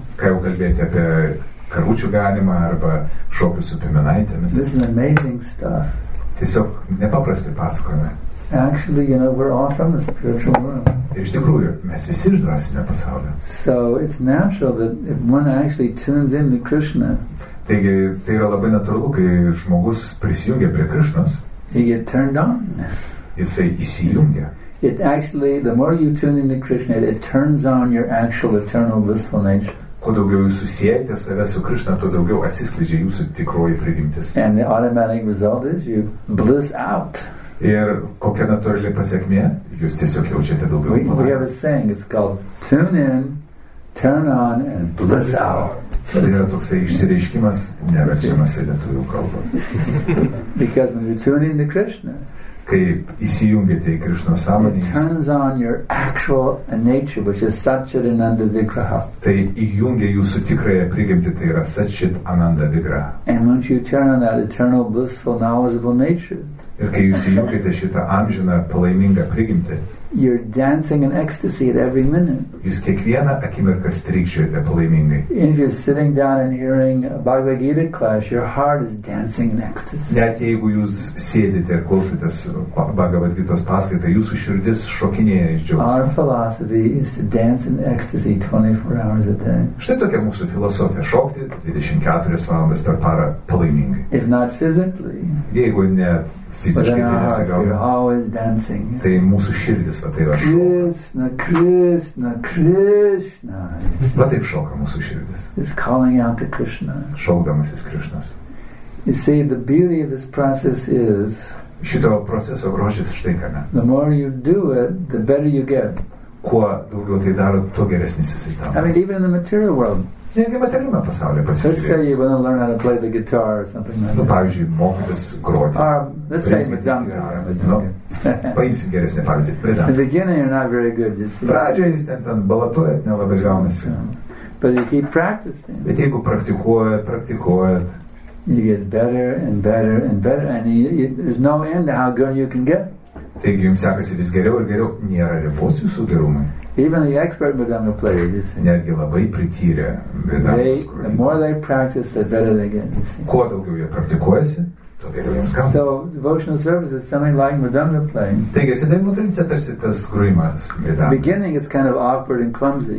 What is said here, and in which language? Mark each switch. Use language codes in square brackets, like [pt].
[lt] Kai jau kalbėti apie karvučių ganimą arba šokius su piemenaitėmis. [en] This is amazing stuff. [lt] Tiesiog nepaprastai pasakojame. [en] Actually, you know, we're all from the spiritual world. [lt] Iš tikrųjų, mes visi iš dvasinio pasaulio. [en] So it's natural that if one actually tunes in to Krishna. [lt] Taigi, tai yra labai natūralu, kai žmogus prisijungia prie Krishnos. [en] He get turned on. [lt] Jisai įsijungia. [en] It actually, the more you tune into Krishna, it turns on your actual eternal blissful nature. [lt] Kuo daugiau jūs susijęte save su Krishna, tuo daugiau atsiskleidžia jūsų tikroji prigimtis. [en] And the automatic result is you bliss out. [lt] Ir kokia natūrali pasekmė, jūs tiesiog jaučiate daugiau malonės. [en] We have a saying, it's called tune in, turn on, and bliss out. [lt] Tai yra toksai išsireiškimas, neverčiamas į lietuvių kalbą. [en] Because when you tune into Krishna, [lt] kai įsijungiate į Krishnos sąmonį, [en] it turns on your actual nature, which is Satchit Ananda Vigraha. [lt] Tai įjungia jūsų tikrąją prigimtį, tai yra Satchit Ananda Vigraha. [en] And once you turn on that eternal, blissful, knowledgeable nature, [lt] ir kai jūs įjungiate šitą amžiną, palaimingą prigimtį, [en] you're dancing in ecstasy at every minute. [lt] Jūs kiekvieną akimirką strykčiojate palaimingai. [en] If you're sitting down and hearing a Bhagavad Gita class, your heart is dancing in ecstasy. [lt] Net jeigu jūs sėdite ir klausotės Bhagavad Gitos paskaitą, jūsų širdis šokinėja iš džiaugsmo. [en] Our philosophy is to dance in ecstasy 24 hours a day. [lt] Štai tokia mūsų filosofija, šokti 24 valandas per parą palaimingai. [en] If not physically, [lt] jeigu ne fiziškai mūsų širdis, va, tai yra šoka. Krishna, Krishna, Krishna. Va, taip šoka mūsų širdis. [en] It's calling out to Krishna. [lt] Šokdamasis Krishnas. [en] You see, the beauty of this process is, [lt] šito proceso grožis štai kame. [en] The more you do it, the better you get. [lt] Kuo daugiau tai daro, tuo geresnis rezultatas. [en] I mean, even in the material world. Let's say you want to learn how to play the guitar or something like that. [lt] Pavyzdžiui, mokytis groti. [en] Let's say mridangą. [lt] Paimsim geresnį pavyzdį. [en] In the beginning, you're not very good. [lt] Pradžioje jūs ten balatuojat, nelabai gaunasi. [en] But you keep practicing. [lt] Bet jeigu praktikuojat, [en] you get better and better and better, and there's no end to how good you can get. [lt] Taigi jums sekasi vis geriau ir geriau. Nėra ribos jūsų gerumai. [en] Even the expert Vedanga players, you see. They, the more they practice, the better they get, you see. So devotional service is something like mudanga playing. In the beginning it's kind of awkward and clumsy.